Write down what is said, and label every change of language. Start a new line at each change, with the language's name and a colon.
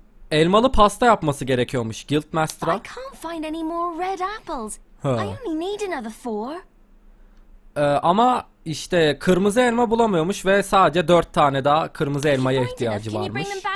Turkish: Elmalı pasta yapması gerekiyormuş Guildmaster'a.
English: I can't find any more red apples. I only need another four.
Turkish: Ama işte kırmızı elma bulamıyormuş ve sadece 4 tane daha kırmızı elmaya ihtiyacı varmış.